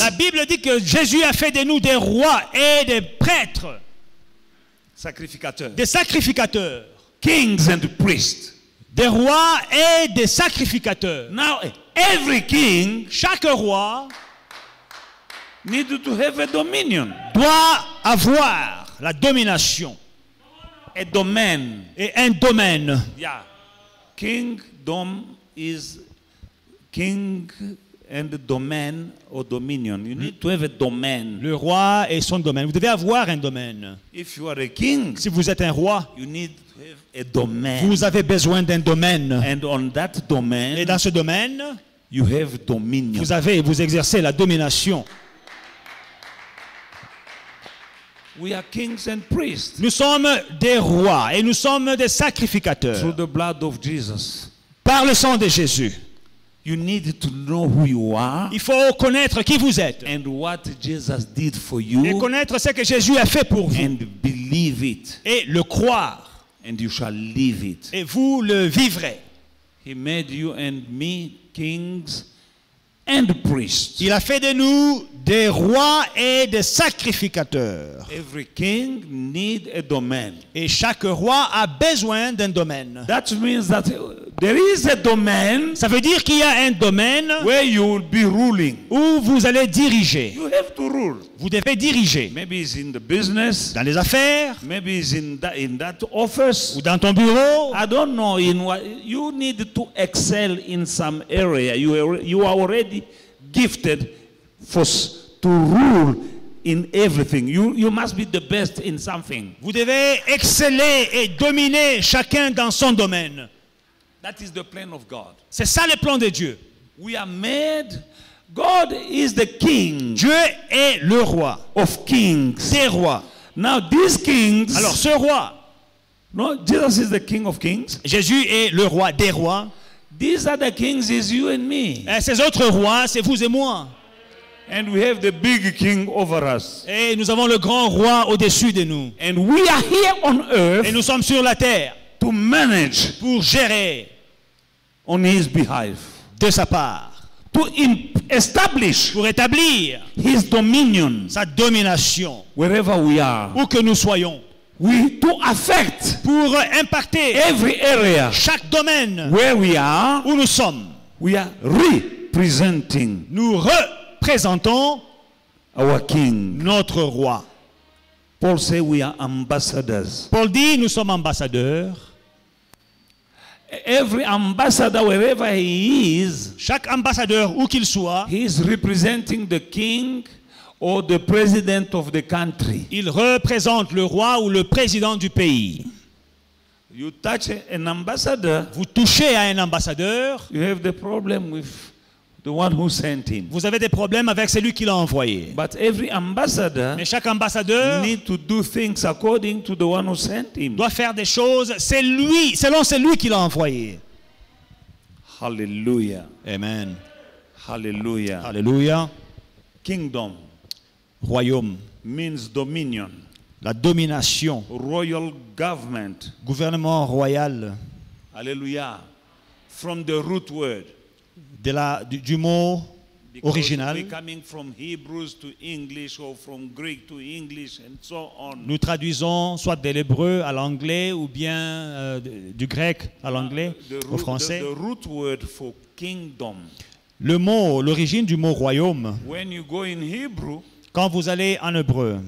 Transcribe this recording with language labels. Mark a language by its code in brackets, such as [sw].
[fr] La Bible dit que Jésus a fait de nous des rois et des prêtres. Sacrificateurs. Des sacrificateurs. [en] Kings and priests. [fr] Des rois et des sacrificateurs. [en] Now every king, [fr] chaque roi, [en] need to have a dominion, [fr] doit avoir la domination. [en] A domain. [fr] Et un domaine. [en] Yeah. Kingdom is king and domain or dominion. You need to have a domain. [fr] Le roi et son domaine. Vous devez avoir un domaine. [en] If you are a king, [fr] si vous êtes un roi, [en] you need to have a domain. [fr] Vous avez besoin d'un domaine. [en] And on that domain, [fr] et dans ce domaine, [en] you have dominion. [fr] Vous avez, vous exercez la domination. [en] We are kings and priests. [fr] Nous sommes des rois et nous sommes des sacrificateurs. [en] Through the blood of Jesus. [fr] Par le sang de Jésus. [en] You need to know who you are. [fr] Il faut connaître qui vous êtes. [en] And what Jesus did for you. [fr] Et connaître ce que Jésus a fait pour vous. [en] And believe it. [fr] Et le croire. [en] And you shall live it. [fr] Et vous le vivrez. [en] He made you and me kings and priests. [fr] Il a fait de nous des rois et des sacrificateurs. [en] Every king need a domain. [fr] Et chaque roi a besoin d'un domaine. [en] That means that there is a domain. [fr] Ça veut dire qu'il y a un domaine [en] where you will be ruling. [fr] Où vous allez diriger. [en] You have to rule. [fr] Vous devez diriger. [en] Maybe it's in the business. [fr] Dans les affaires. [en] Maybe it's in that office. [fr] Ou dans ton bureau. [en] I don't know in what you need to excel in some area. You are already gifted for to rule in everything. You must be the best in something. [fr] Vous devez exceller et dominer chacun dans son domaine. [en] That is the plan of God. [fr] C'est ça le plan de Dieu. [en] We are made. God is the king. [fr] Dieu est le roi. [en] Of kings. [fr] Des rois. [en] Now these kings. [fr] Alors ce roi. [en] No, Jesus is the king of kings. [fr] Jésus est le roi des rois. [en] These other kings is you and me. [fr] Et ces autres rois, c'est vous et moi. [en] And we have the big king over us. [fr] Et nous avons le grand roi au-dessus de nous. [en] And we are here on earth. [fr] Et nous sommes sur la terre. [en] To manage, [fr] pour gérer, [en] on his behalf, [fr] de sa part, [en] to establish, [fr] pour établir, [en] his dominion, [fr] sa domination, [en] wherever we are, [fr] où que nous soyons, [en] we to affect, [fr] pour impacter, [en] every area, [fr] chaque domaine, [en] where we are, [fr] où nous sommes, [en] we are representing, [fr] nous représentons, [en] our king, [fr] notre roi. [en] Paul says we are ambassadors. [fr] Paul dit nous sommes ambassadeurs. [en] Every ambassador wherever he is, [fr] chaque ambassadeur où qu'il soit, [en] he is representing the king or the president of the country. [fr] Il représente le roi ou le président du pays. [en] You touch an ambassador, [fr] vous touchez à un ambassadeur, [en] you have the problem with the one who sent him. [fr] Vous avez des problèmes avec celui qui l'a envoyé. [en] But every ambassador, [fr] mais chaque ambassadeur, [en] need to do things according to the one who sent him, [fr] doit faire des choses selon celui qui l'a envoyé. [en] Hallelujah. Amen. Hallelujah. Hallelujah. Kingdom. [fr] Royaume. [en] Means dominion. [fr] La domination. [en] Royal government. [fr] Gouvernement royal. [en] Hallelujah. from the root word. [fr] De la, du mot [en] because original. We're coming from Hebrews to English or from Greek to English and so on. [fr] Nous traduisons soit de l'hébreu à l'anglais ou bien du grec à l'anglais au français. [en] The root word for kingdom. [fr] Le mot, l'origine du mot royaume. [en] When you go in Hebrew, [fr] quand vous allez en hébreu,